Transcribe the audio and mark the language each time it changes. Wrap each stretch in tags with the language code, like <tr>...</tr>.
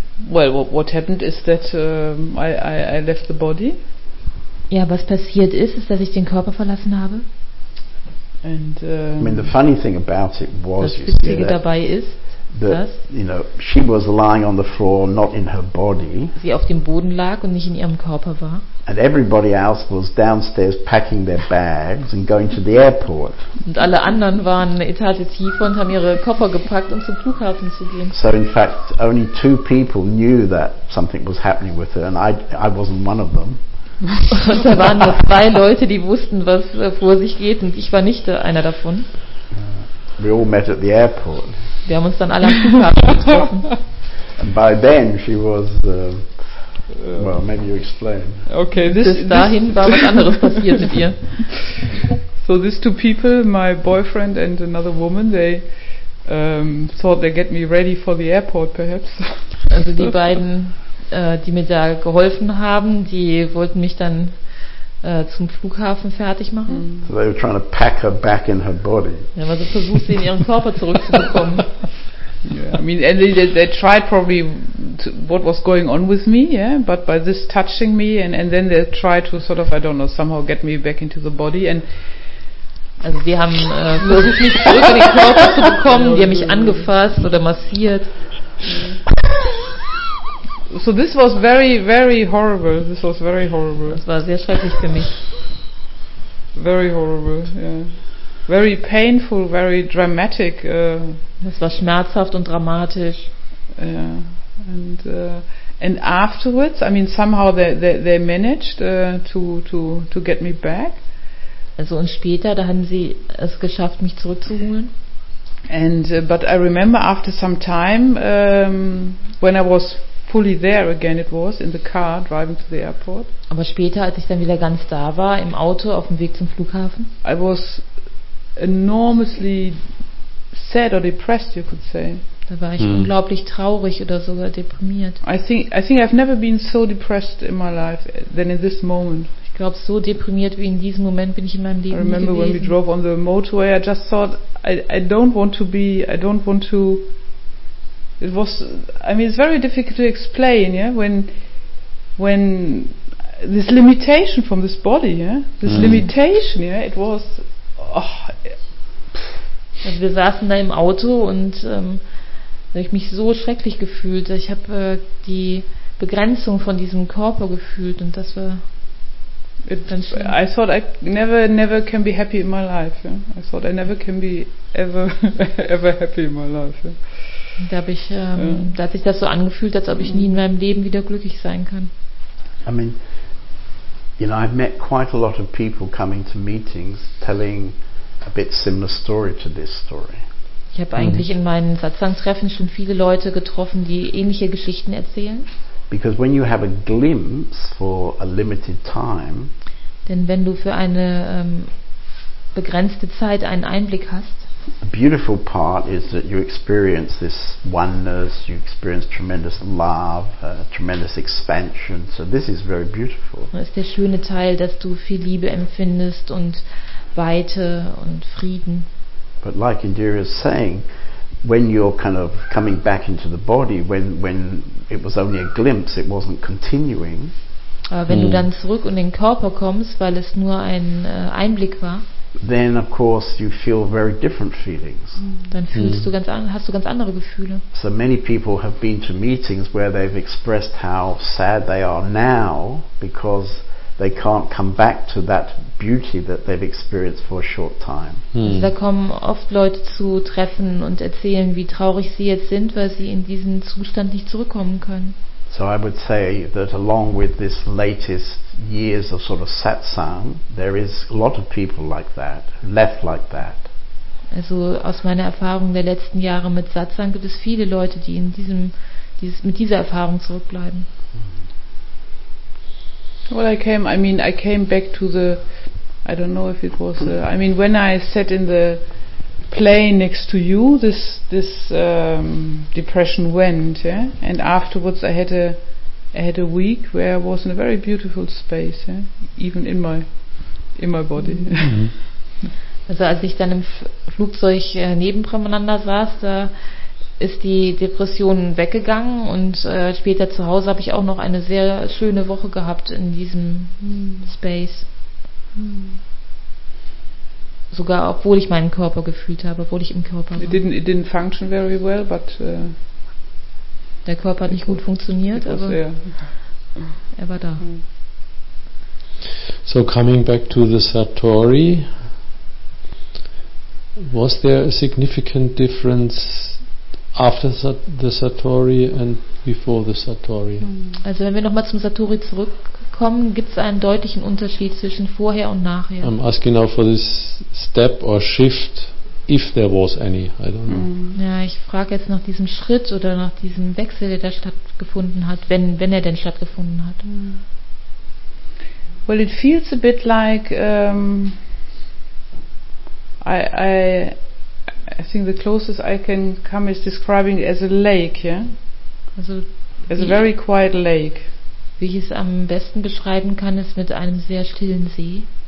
<en>Well, what happened is that I left the body.</en> <de>Ja, was passiert ist, dass ich den Körper verlassen habe.</de> <en>And I mean, the funny thing about it was,</en> <de>das Witzige dabei ist, dass,</de> <en>you know, she was lying on the floor, not in her body.</en> <de>Sie auf dem Boden lag und nicht in ihrem Körper war.</de> <en>And everybody else was downstairs packing their bags and going to the airport.</en> <de>Und alle anderen waren eine Etage tiefer und haben ihre Koffer gepackt, um zum Flughafen zu gehen.</de> <en>So in fact, only 2 people knew that something was happening with her, and I wasn't one of them.</en> <de>Und da waren nur 2 Leute, die wussten, was vor sich geht, und ich war nicht einer davon.</de> <en>We all met at the airport.</en> <de>Wir haben uns dann alle am Flughafen getroffen.</de> <en>And by then she was well, maybe you explain. Okay,</en> <de>bis dahin war was anderes passiert mit ihr.</de> <en>So these two people, my boyfriend and another woman, they thought they get me ready for the airport perhaps.</en> <de>Also die beiden, die mir da geholfen haben, die wollten mich dann zum Flughafen fertig machen.</de> <en>So they were trying to pack her back in her body.</en> <de>Ja, weil sie versucht, sie in ihren Körper zurückzubekommen.</de> <en>Yeah, I mean, and they tried probably what was going on with me, yeah, but by this touching me, and then they tried to sort of, I don't know, somehow get me back into the body, and</en> <de>also die haben versucht, mich zurück in den Körper zu bekommen, die haben mich angefasst oder massiert.</de> <en>So this was very, very horrible. This was very horrible.</en> <de>Das war sehr schrecklich für mich.</de> <en>Very horrible, yeah. Very painful, very dramatic.</en> <de>Das war schmerzhaft und dramatisch.</de> <en>Yeah. And afterwards, I mean, somehow they managed to get me back.</en> <de>Also und später, da haben sie es geschafft, mich zurückzuholen.</de> <en>And but I remember after some time, when I was fully there again, it was in the car driving to the airport.</en> <de>Aber später, als ich dann wieder ganz da war, im Auto auf dem Weg zum Flughafen.</de> <en>I was enormously sad or depressed, you could say.</en> <de>Da war ich unglaublich traurig oder sogar deprimiert.</de> <en>I think I've never been so depressed in my life than in this moment.</en> <de>Ich glaube, so deprimiert wie in diesem Moment bin ich in meinem Leben gewesen.</de> <en>I remember</en> <de>gewesen.</de> <en>When we drove on the motorway, I just thought, I don't want to. It was, I mean, it's very difficult to explain, yeah. When this limitation from this body, yeah, this limitation, yeah, it was. Oh, yeah.</en> <de>Also wir saßen da im Auto und habe ich mich so schrecklich gefühlt. Ich habe die Begrenzung von diesem Körper gefühlt und das war.</de> <en>I thought I never can be happy in my life. Yeah? I thought I never can be ever happy in my life. Yeah?</en> <de>Da habe ich, da hat sich das so angefühlt, als ob ich nie in meinem Leben wieder glücklich sein kann.</de> <en>I mean, you know, I've met quite a lot of people coming to meetings telling a bit similar story to this story.</en> <de>Ich habe eigentlich in meinen Satsang-Treffen schon viele Leute getroffen, die ähnliche Geschichten erzählen.</de> <en>Because when you have a glimpse for a limited time.</en> <de>Denn wenn du für eine begrenzte Zeit einen Einblick hast.</de> <en>The beautiful part is that you experience this oneness, you experience tremendous love, tremendous expansion. So this is very beautiful.</en> <de>Das ist der schöne Teil, dass du viel Liebe empfindest und Weite und Frieden.</de> <en>But like Indira is saying, when you're kind of coming back into the body, when it was only a glimpse, it wasn't continuing.</en> <de>Aber wenn du dann zurück in den Körper kommst, weil es nur ein Einblick war.</de> <en>Then of course you feel very different feelings.</en> <de>Dann fühlst du ganz hast du ganz andere Gefühle.</de> <en>So many people have been to meetings where they've expressed how sad they are now because they can't come back to that beauty that they've experienced for a short time.</en> <de>Also da kommen oft Leute zu Treffen und erzählen, wie traurig sie jetzt sind, weil sie in diesen Zustand nicht zurückkommen können.</de> <en>So I would say that along with this latest years of sort of satsang, there is a lot of people like that, left like that.</en> <de>Also aus meiner Erfahrung der letzten Jahre mit Satsang gibt es viele Leute, die in diesem mit dieser Erfahrung zurückbleiben.</de> <en>Well, I came back to the, I don't know if it was, I mean, when I sat in the plane next to you, this depression went, yeah, and afterwards I had a week where I was in a very beautiful space, yeah, even in my body.</en> <de>Also als ich dann im Flugzeug neben Pramananda saß, da ist die Depression weggegangen und später zu Hause habe ich auch noch eine sehr schöne Woche gehabt in diesem Space. Sogar obwohl ich meinen Körper gefühlt habe, obwohl ich im Körper war.</de> <en>It didn't function very well, but</en> <de>der Körper hat nicht gut funktioniert, aber er war da.</de> <en>So coming back to the Satori, was there a significant difference after the Satori and before the Satori?</en> <de>Also wenn wir nochmal zum Satori zurückkommen, gibt es einen deutlichen Unterschied zwischen vorher und nachher.</de> <en>I'm asking now for this step or shift if there was any, I don't know.</en> <de>Ja, ich frage jetzt nach diesem Schritt oder nach diesem Wechsel, der da stattgefunden hat, wenn er denn stattgefunden hat.</de> <en>Well, it feels a bit like I think the closest I can come is describing it as a lake, yeah?</en> <de>Also</de> <en>as a very quiet lake.</en> <de>Wie ich es am besten beschreiben kann, ist mit einem sehr stillen See.</de>